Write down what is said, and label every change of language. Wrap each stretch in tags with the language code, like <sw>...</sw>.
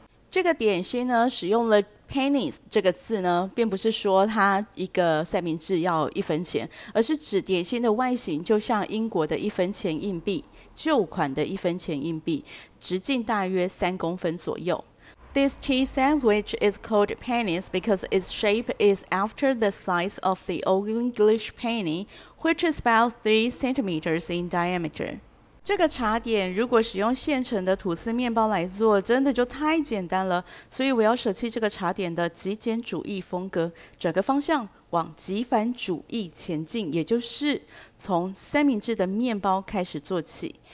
<zh>这个点心呢，使用了Pennies 这个字呢，并不是说它一个三明治要一分钱，而是指点心的外形就像英国的一分钱硬币，旧款的一分钱硬币，直径大约三公分左右。</zh> <en>This tea sandwich is called pennies because its shape is after the size of the old English penny, which is about 3 centimeters in diameter.</en> <zh>这个茶点如果使用现成的吐司面包来做，真的就太简单了，所以我要舍弃这个茶点的极简主义风格，转个方向往极繁主义前进，也就是从三明治的面包开始做起。</zh>